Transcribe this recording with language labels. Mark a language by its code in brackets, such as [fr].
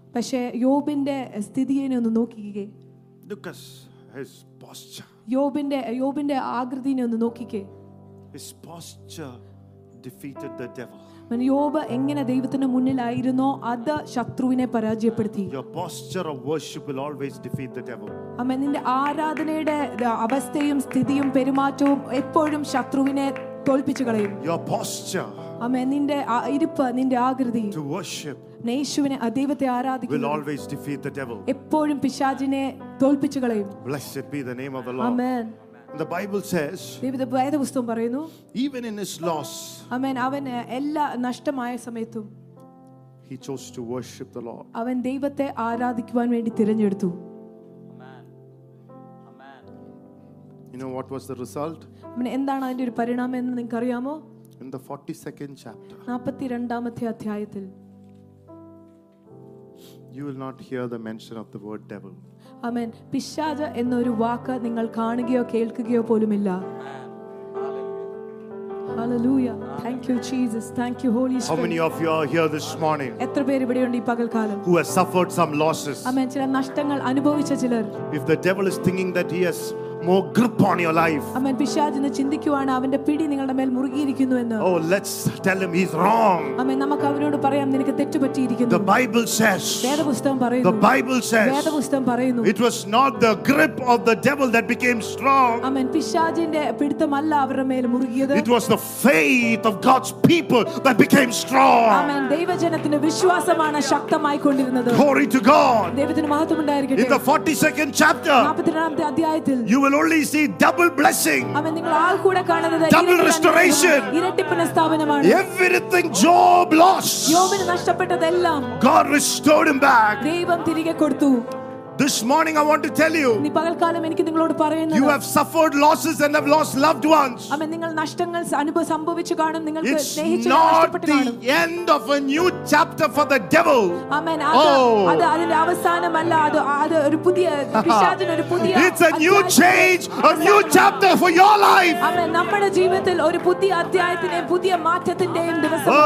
[ml] പക്ഷേ യോബിന്റെ സ്ഥിതിയെ ഒന്ന് നോക്കിക്കേ. [en] Look at his posture. [ml] യോബിന്റെ ആകൃതിയെ ഒന്ന് നോക്കിക്കേ. [en] His posture defeated the devil. [ml] അമ്മേ യോബ് എങ്ങനെ ദൈവത്തിന് മുന്നിലായിരുന്നോ അത് ശത്രുവിനെ പരാജയപ്പെടുത്തി. [en] Your posture of worship will always defeat the devil. [ml] അമ്മേ നിന്റെ ആരാധനയുടെ അവസ്ഥയും സ്ഥിതിയും പെരുമാറ്റവും എപ്പോഴും ശത്രുവിനെ തോൽപ്പിച്ചു കളയും. [en] Your posture. [ml] അമ്മേ നിന്റെ ഇരിപ്പ്, നിന്റെ ആകൃതി. [en] To worship. [ml] യേശുവിനെ, ദൈവത്തെ ആരാധിക്കുക. [en] Will always defeat the devil. [ml] എപ്പോഴും പിശാചിനെ തോൽപ്പിച്ചു കളയും. [en] Blessed be the name of the Lord. Amen. The Bible says, [ml] ദൈവത്തെ ബൈബിൾ പുസ്തകം പറയുന്നു, [en] even in his loss, [ml] അമേൻ, അവനെ എല്ലാ നഷ്ടമായ സമയത്തും, [en] he chose to worship the Lord. [ml] അവൻ ദൈവത്തെ ആരാധിക്കുവാൻ വേണ്ടി തിരഞ്ഞെടുത്തു. [en] Amen. Amen. You know what was the result? [ml] അമേൻ എന്താണ് അതിന്റെ ഒരു പരിണാമം എന്ന് നിങ്ങൾക്ക് അറിയാമോ? [en] In the 42nd chapter. [ml] 42-ാമത്തെ അധ്യായത്തിൽ. [en] You will not hear the mention of the word devil. [ml] അമേൻ. പിശാച് എന്നൊരു വാക്ക് നിങ്ങൾ കാണുകയോ കേൾക്കുകയോ പോലുമില്ല. [en] Hallelujah. Thank you Jesus. Thank you Holy Spirit. How many of you are here this morning? [ml] എത്ര പേർ ഇവിടെ ഉണ്ട് ഈ പകൽക്കാലം? [en] Who has suffered some losses? [ml] അമേൻ. ചില നഷ്ടങ്ങൾ അനുഭവിച്ച ചിലർ. [en] If the devil is thinking that he has more grip on your life. [ml] അമേൻ. പിശാചിനെ ചിന്തിക്കുവാണ് അവന്റെ പിടി നിങ്ങളുടെ മേൽ മുറുകിയിരിക്കുന്നു എന്ന്. [en] Oh, let's tell him he's wrong. [ml] അമേൻ. നമുക്ക് അവനോട് പറയാം, നിനക്ക് തെറ്റ് പറ്റിയിരിക്കുന്നു. [en] The Bible says. [ml] വേദപുസ്തകം പറയുന്നു. [en] The Bible says. [ml] വേദപുസ്തകം പറയുന്നു. [en] It was not the grip of the devil that became strong. [ml] അമേൻ. പിശാചിന്റെ പിടുത്തമല്ല അവരുടെ മേൽ മുറുകിയത്. [en] It was the faith of God's people that became strong. [ml] അമേൻ. ദൈവജനത്തിന്റെ വിശ്വാസമാണ് ശക്തമായി കൊണ്ടിരുന്നത്. [en] Glory to God. [ml] ദൈവത്തിന് മഹത്വം ഉണ്ടായിരിക്കട്ടെ. [en] In the 42nd chapter. [ml] 42-ാമത്തെ അധ്യായത്തിൽ. [en] You will only see double blessing. [ml] അമേൻ. നിങ്ങൾ ആൾ കൂടെ കാണുന്നത് [en] double restoration. [ml] ഇരട്ടിപ്പിന്റെ സ്ഥാപനമാണ്. [en] Everything Job lost. [ml] യോബിനെ നഷ്ടപ്പെട്ടതെല്ലാം [en] God restored him back. [ml] ദൈവം തിരികെ കൊടുത്തു. [en] This morning I want to tell you. [ml] ഈ പകൽക്കാലം എനിക്ക് നിങ്ങളോട് പറയുന്നത്. [en] You have suffered losses and have lost loved ones. [ml] അമേൻ. നിങ്ങൾ നഷ്ടങ്ങൾ സംഭവിച്ചു കാണും, നിങ്ങൾക്ക് സ്നേഹിച്ചവരെ നഷ്ടപ്പെട്ടു കാണും. [en] It's not the end of a new chapter for the devil. [ml] അമേൻ. അത് അതിന്റെ അവസാനമല്ല, അത് അത് ഒരു പുതിയ പിശാചിന് ഒരു പുതിയ. [en] It's a new change, a new chapter for your life. [ml] അമേൻ. നമ്മുടെ ജീവിതത്തിൽ ഒരു പുതിയ അധ്യായത്തിന്റെ പുതിയ മാറ്റത്തിന്റെയും ദിവസമാണ്.